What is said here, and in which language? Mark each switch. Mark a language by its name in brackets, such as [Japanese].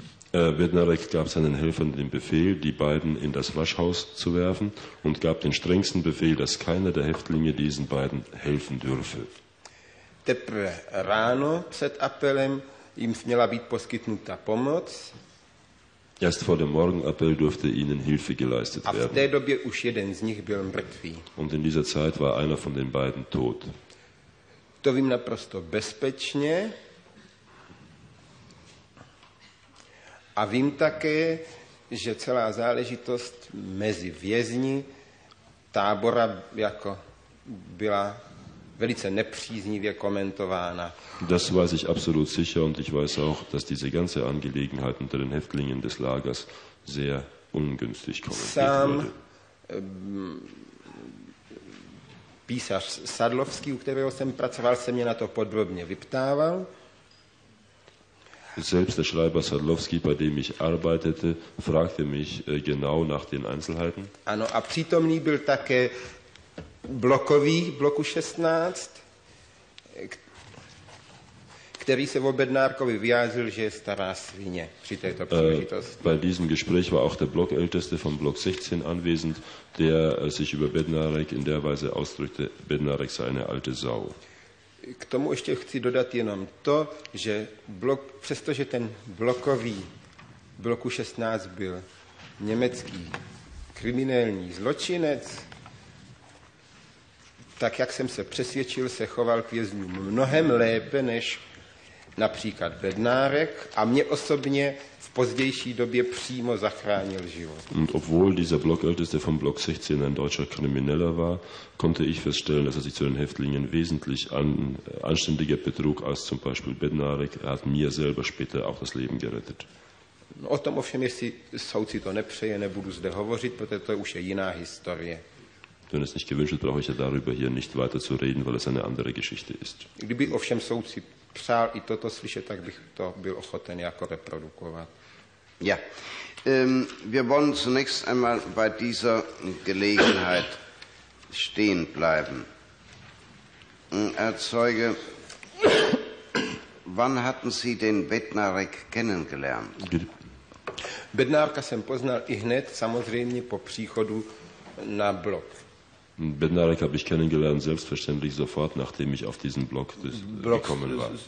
[German] Bednárek gab seinen Helfern den Befehl, die beiden in das Waschhaus zu werfen und gab den strengsten Befehl, dass keiner der Häftlinge diesen beiden helfen dürfe. [Czech] Teprve ráno před apelem jim směla být poskytnuta pomoc. [German] Erst vor dem Morgenappell durfte ihnen Hilfe geleistet werden. [Czech] A v té době už jeden z nich byl mrtvý. [German] Und in dieser Zeit war einer von den beiden tot. [Czech] To vím naprosto bezpečně. A vím také, že celá záležitost mezi vězni tábora jako byla velice nepříznivě komentována. [German] Das weiß ich absolut sicher und ich weiß auch, dass diese ganze Angelegenheit unter den Häftlingen des Lagers sehr ungünstig kommentiert wurde. [Czech] Sám písař Sadlovský, u kterého jsem pracoval, se mě na to podrobně vyptával. [German] Selbst der Schreiber Sadlowski, bei dem ich arbeitete, fragte mich genau nach den Einzelheiten. [Czech] Ano, a přítomný byl také blokový, bloku 16, který se o Bednárkovi vyjádřil, že je stará svině při této příležitosti. [German] Bei diesem Gespräch war auch der Blockälteste von Block 16 anwesend, der sich über Bednárek in der Weise ausdrückte, Bednárek sei eine alte Sau. [Czech] K tomu ještě chci dodat jenom to, že přestože ten blokový bloku 16 byl německý kriminální zločinec, tak jak jsem se přesvědčil, se choval k vězňům mnohem lépe než například Bednárek a mě osobně v pozdější době přímo zachránil život. [German] Und obwohl dieser Blockälteste von Block 16 ein deutscher Krimineller war, konnte ich feststellen, dass er sich zu den Häftlingen wesentlich anständiger betrug als zum Beispiel Bednárek. Er hat mir selber später auch das Leben gerettet. [Czech] No, o tom ovšem, jestli soudci to nepřeje, nebudu zde hovořit, protože to už je jiná historie. [German] Wenn es nicht gewünscht wird, brauche ich ja darüber hier nicht weiter zu reden, weil es eine andere Geschichte ist. [Czech] Kdyby ovšem soudci přál i toto slyšet, tak bych to byl ochoten jako reprodukovat. [German] Ja, wir wollen zunächst einmal bei dieser Gelegenheit stehen bleiben. Herr Zeuge, wann hatten Sie den Bednárek kennengelernt? [Czech] Bednárka jsem poznal i hned, samozřejmě po příchodu na blok. [German] Bednárek habe ich kennengelernt, selbstverständlich sofort, nachdem ich auf diesen Block gekommen war.